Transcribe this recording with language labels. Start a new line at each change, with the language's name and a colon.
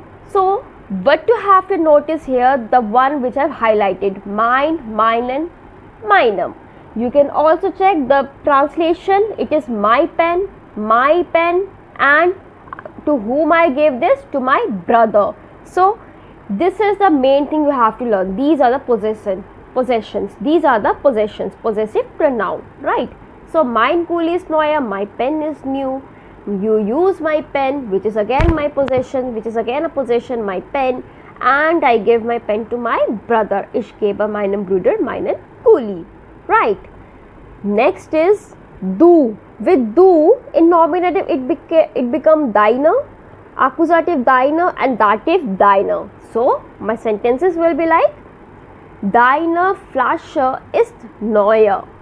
English: So, what you have to notice here, the one which I have highlighted, mein, meinen, meinem. You can also check the translation. It is my pen. My pen, and to whom I gave this? To my brother. So this is the main thing you have to learn. These are the possessions. These are the possessions, possessive pronoun, right? So
German: mein Kuli ist neuer,
English: my pen is new. You use my pen, which is again my possession, which is again a possession, my pen. And I gave my pen to my brother.
German: Ich gebe meinem Bruder meinen Kuli,
English: right? Next is du. With du, in nominative, it becomes deiner. Accusative deiner and dative deiner. So my sentences will be like,
German: deine Flasche ist neue.